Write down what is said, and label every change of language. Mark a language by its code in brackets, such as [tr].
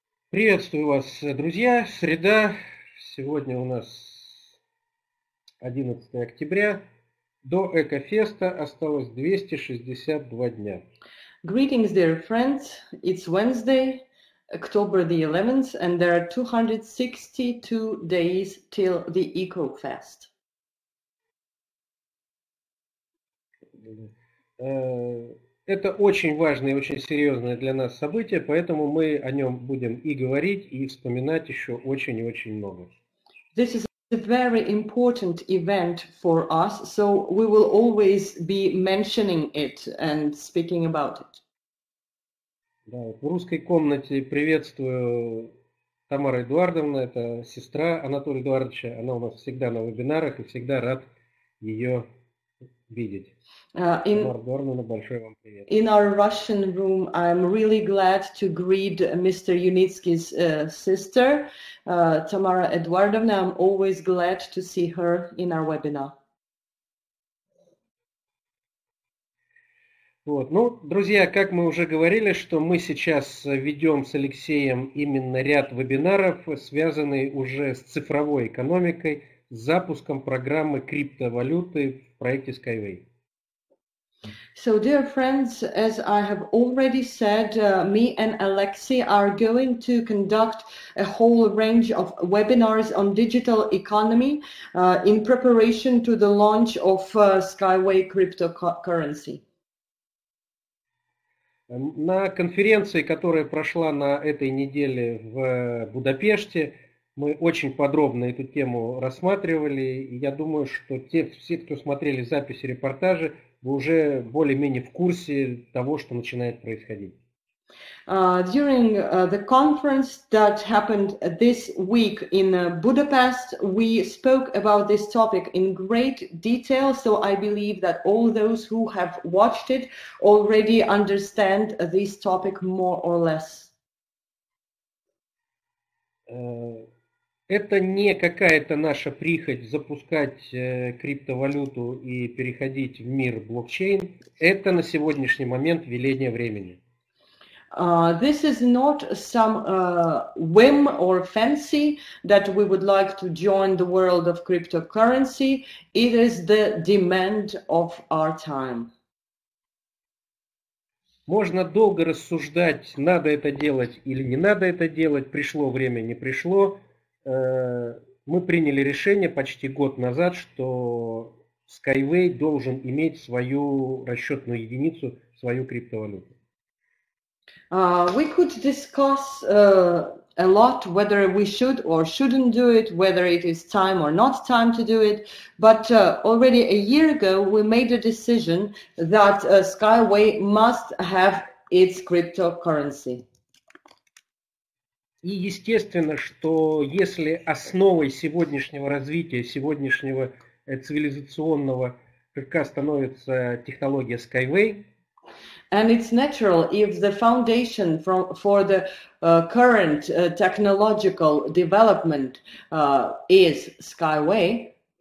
[ru] Приветствую вас, друзья. Среда. Сегодня у нас 11 октября. До Экофеста осталось 262 дня. [en] Greetings, dear friends. It's Wednesday, October the 11th, and there are 262 days till the Ecofest. [ru] Это очень важное и очень серьезное для нас событие, поэтому мы о нем будем и говорить, и вспоминать еще очень и очень много. [en] This is a very important event for us, so we will always be mentioning it and speaking about it. [ru] Да, в русской комнате приветствую Тамару Эдуардовну, это сестра Анатолия Эдуардовича, она у нас всегда на вебинарах и всегда рад ее видеть. [en] In our Russian room, I'm really glad to greet Mr. Yunitsky's sister, Tamara Eduardovna. I'm always glad to see her in our webinar. [ru] Вот, ну, друзья, как мы уже говорили, что мы сейчас ведем с Алексеем именно ряд вебинаров, связанные уже с цифровой экономикой, с запуском программы криптовалюты в проекте Skyway. [en] So, dear friends, as I have already said, me and Alexei are going to conduct a whole range of webinars on digital economy in preparation to the launch of Skyway cryptocurrency. [ru] На конференции, которая прошла на этой неделе в Будапеште, мы очень подробно эту тему рассматривали. Я думаю, что все, кто смотрели записи репортажи, вы уже более-менее в курсе того, что начинает происходить. [en] During the conference that happened this week in Budapest, we spoke about this topic in great detail, so I believe that all those who have watched it already understand this topic more or less. [ru] Это не какая-то наша прихоть запускать криптовалюту и переходить в мир блокчейн. Это на сегодняшний момент веление времени. [en] This is not some whim or fancy that we would like to join the world of cryptocurrency. It is the demand of our time. [ru] Можно долго рассуждать, надо это делать или не надо это делать, пришло время, не пришло. Мы приняли решение почти год назад, что Skyway должен иметь свою расчетную единицу, свою криптовалюту. [en] We could discuss a lot whether we should or shouldn't do it, whether it is time or not time to do it. But already a year ago, we made a decision that Skyway must have its cryptocurrency. [ru] И естественно, что если основой сегодняшнего развития, сегодняшнего цивилизационного рывка становится технология Skyway, [en] and it's natural if the foundation for the current technological development is Skyway,